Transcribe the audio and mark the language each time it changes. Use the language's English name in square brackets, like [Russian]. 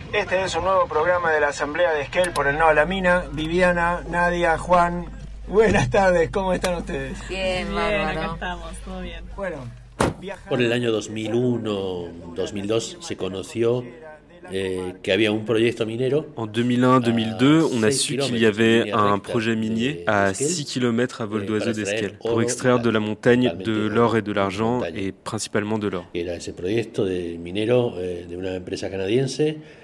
[Spanish] Este es un nuevo programa de la Asamblea de Esquel por el No a la Mina. Viviana, Nadia, Juan, buenas tardes, ¿cómo están ustedes? Bien, bien, acá estamos, todo bien. Bueno, por el año 2001-2002 se conoció que había un proyecto minero. [French] En 2001-2002, on a su qu'il y avait un projet minier à 6 km à vol d'oiseau d'Esquel pour extraire de la montagne de l'or et de l'argent, et principalement de l'or. [Spanish] Era ese proyecto de minero de una empresa canadiense.